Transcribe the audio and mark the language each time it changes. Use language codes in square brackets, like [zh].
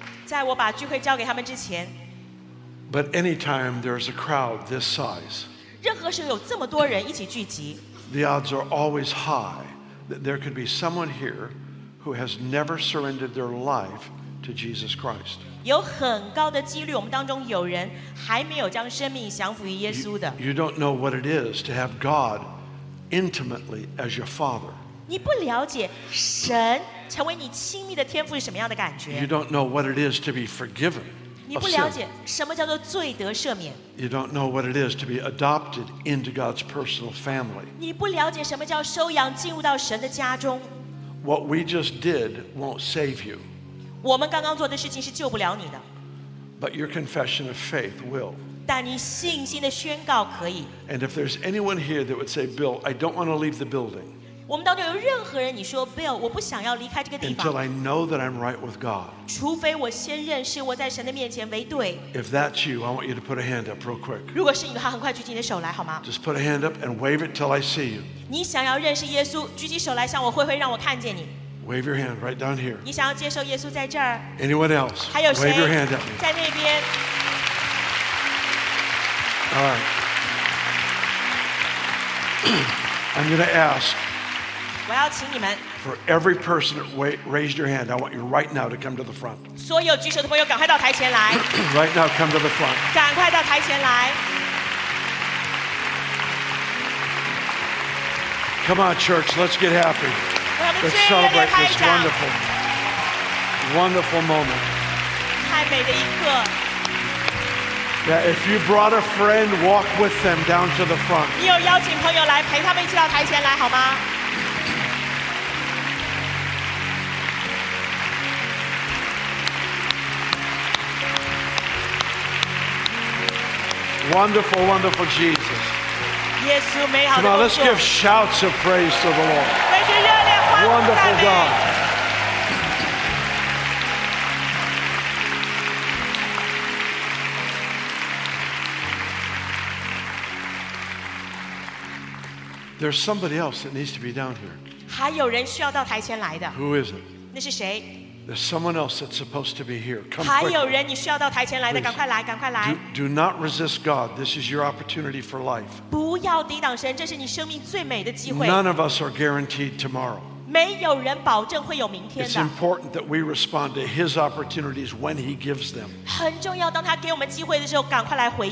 [zh] 在我把聚会交给他们之前。 [en] But anytime there's a crowd this size, [zh] 任何时候有这么多人一起聚集， [en] the odds are always high that there could be someone here who has never surrendered their life to Jesus Christ. [zh] 有很高的几率，我们当中有人还没有将生命降服于耶稣的。 [en] You don't know what it is to have God intimately as your Father. [zh] 你不了解神。成为你亲密的天父是什么样的感觉？ [en] You don't know what it is to be forgiven. [zh] 你不了解什么叫做罪得赦免。 [en] You don't know what it is to be adopted into God's personal family. [zh] 你不了解什么叫收养进入到神的家中。 [en] What we just did won't save you. [zh] 我们刚刚做的事情是救不了你的。 [en] But your confession of faith will. [zh] 但你信心的宣告可以。 [en] And if there's anyone here that would say, Bill, I don't want to leave the building. [zh] 我们当中有任何人，你说 Bill， 我不想要离开这个地方。 [en] Until I know that I'm right with God， [zh] 除非我先认识我在神的面前为对。 [en] If that's you， I want you to put a hand up real quick。 [zh] 如果是你的话，很快举起你的手来好吗 [en] ？Just put a hand up and wave it till I see you。 [zh] 你想要认识耶稣，举起手来向我挥挥，让我看见你。 [en] Wave your hand right down here。 [zh] 你想要接受耶稣在这儿。 [en] Anyone else？ [zh] 还有谁 [en] ？Wave your hand at me。 [zh] 在那边。 [en] All right。 I'm going to ask。 [zh] 我要请你们 [en] For every person that raised your hand, I want you right now to come to the front. [zh] 所有举手的朋友，赶快到台前来。 [en] Right now, come to the front. [zh] 赶快到台前来。 [en] Come on, church, let's get happy. Let's celebrate this wonderful, wonderful moment. [zh] 太美的一刻。 [en] Yeah, if you brought a friend, walk with them down to the front. [zh] 你有邀请朋友来陪他们一起到台前来好吗？ [en] Wonderful, wonderful Jesus. Yes, you may have. Come on, let's give shouts of praise to the Lord. Wonderful God. There's somebody else that needs to be down here. [zh] 还有人需要到台前来的。 [en] Who is it? [zh] 那是谁？ [en] There's someone else that's supposed to be here. Come [zh] quickly. 还有人你需要到台前来的，赶快来，赶快来。 [en] Do not resist God. This is your opportunity for life. [zh] 不要抵挡神，这是你生命最美的机会。 [en] None of us are guaranteed tomorrow. [zh] 没有人保证会有明天的。 [en] It's important that we respond to His opportunities when He gives them. [zh] 很重要，当他给我们机会的时候，赶快来回应。